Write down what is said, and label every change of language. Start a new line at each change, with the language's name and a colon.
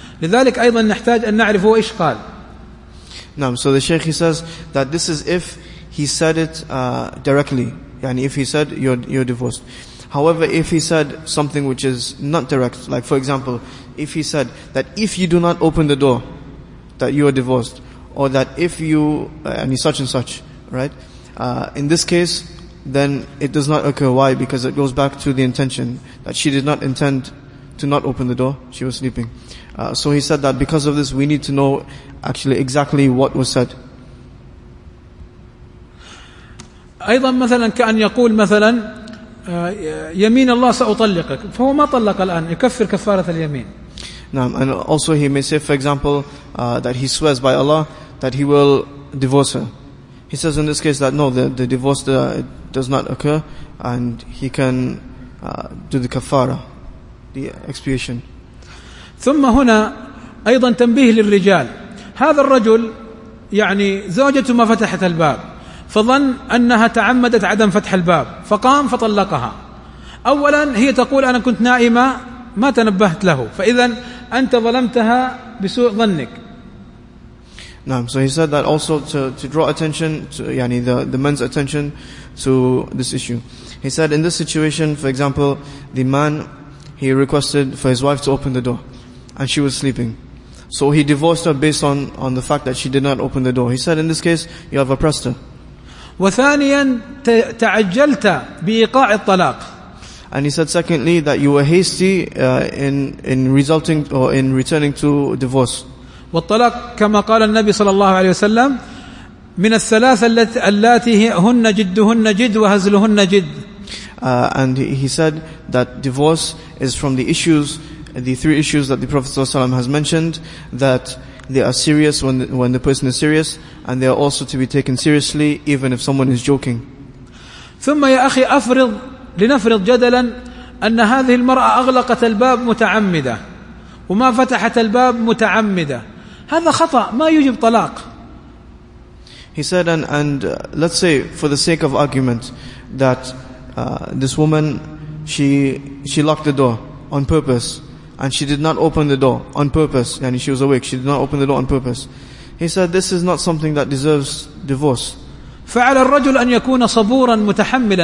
Arabic: لذلك أيضا نحتاج أن نعرف هو إيش قال.
English: نعم. So the Sheikh, he says that this is if he said it directly. Yani if he said, you're divorced. However, if he said something which is not direct, like for example, if he said that if you do not open the door, that you are divorced, or that if you, and such, right? In this case, then it does not occur. Why? Because it goes back to the intention that she did not intend to not open the door. She was sleeping. So he said that because of this, we need to know actually exactly what was said.
Arabic: أيضا مثلا كأن يقول مثلا يمين الله سأطلقك فهو ما طلق الآن يكفر كفارة اليمين. نعم.
English: And also he may say, for example, that he swears by Allah that he will divorce her. He says in this case that no, the divorce does not occur, and he can do the kafara, the expiation.
Arabic: ثم هنا أيضا تنبيه للرجال. هذا الرجل يعني زوجته ما فتحت الباب. فظن أنها تعمدت عدم فتح الباب فقام فطلقها. أولا هي تقول أنا كنت نائمة ما تنبهت له، فإذا أنت ظلمتها بسوء ظنك. نعم.
English: So he said that also to draw attention to يعني the man's attention to this issue. He said in this situation, for example, the man, he requested for his wife to open the door and she was sleeping. So he divorced her based on the fact that she did not open the door. He said in this case you have oppressed her.
Arabic: وثانيا تعجلت بإيقاع الطلاق.
English: And he said secondly that you were hasty in resulting or in returning to divorce.
Arabic: والطلاق كما قال النبي صلى الله عليه وسلم من الثلاث اللاتي هن جدهن جد وهزلهن جد.
English: And he said that divorce is from the issues, the three issues that the Prophet ﷺ has mentioned, that they are serious when the person is serious, and they are also to be taken seriously even if someone is joking.
Arabic: ثم يا أخي أفرض لنفرض جدلا أن هذه المرأة أغلقت الباب متعمدة وما فتحت الباب متعمدة، هذا خطأ ما يجب طلاق.
English: He said and let's say for the sake of argument that this woman she locked the door on purpose and she did not open the door on purpose. Yani she was awake. She did not open the door on purpose. He said, this is not something that deserves divorce.
Arabic: فعلى الرجل أن يكون صبورا متحملا.